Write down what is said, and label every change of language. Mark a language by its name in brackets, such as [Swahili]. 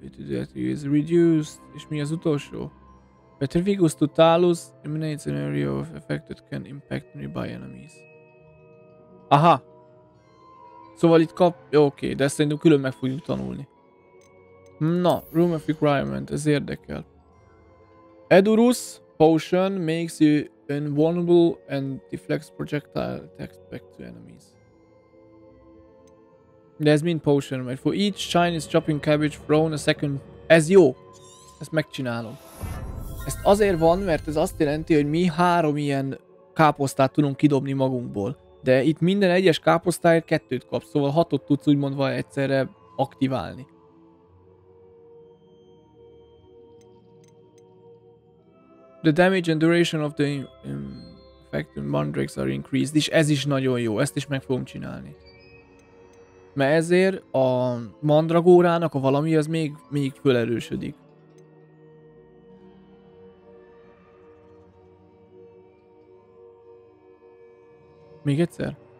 [English] That is reduced. [Hungarian] És mi az utolsó? [English] Petrificus to Talus eliminates an area of effect that can impact nearby enemies. [Hungarian] Aha! Szóval itt kap... Oké, de ezt szerintem külön meg fogjuk tanulni. Na, Room of Requirement, ez érdekel. [English] Edurus Potion makes you invulnerable and deflects projectile attacks back to enemies. [Hungarian] De ez mind potion, mert [English] for each Chinese chopping cabbage thrown a second... [Hungarian] Ez jó! Ezt megcsinálom. Ezt azért van, mert ez azt jelenti, hogy mi három ilyen káposztát tudunk kidobni magunkból. De itt minden egyes káposztáért kettőt kapsz, szóval hatot tudsz úgymondva egyszerre aktiválni. [English] The damage and duration of the effect on mandrakes are increased. [Hungarian] És ez is nagyon jó, ezt is meg fogom csinálni. Mert ezért a mandragórának a valami az még felerősödik. Még egyszer.